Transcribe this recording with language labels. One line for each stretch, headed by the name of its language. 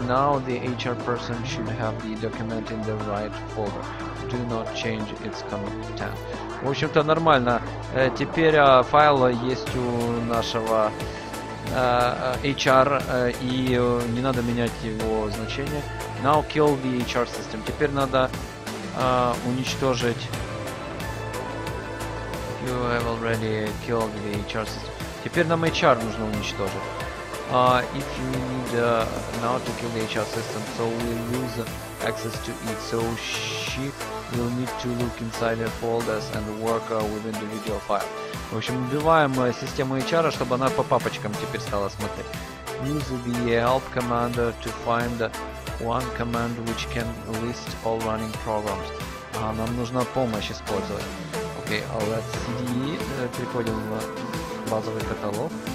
English: Now the HR person should have the document in the right folder. Do not change its content.
Russian: В общем-то, нормально. Теперь файл есть у нашего HR, и не надо менять его значение.
English: Now kill the HR system.
Russian: Теперь надо уничтожить.
English: You have already killed the HR system.
Russian: Теперь нам HR нужно уничтожить.
English: If you need now to kill the HR system, so we lose access to it. So she will need to look inside her folders and work with individual files.
Russian: В общем, убиваем систему HR, чтобы она по папочкам теперь стала смотреть.
English: Use the help command to find one command which can list all running programs.
Russian: Нам нужна помощь использовать.
English: Okay, let's CD.
Russian: Переходим в базовый каталог.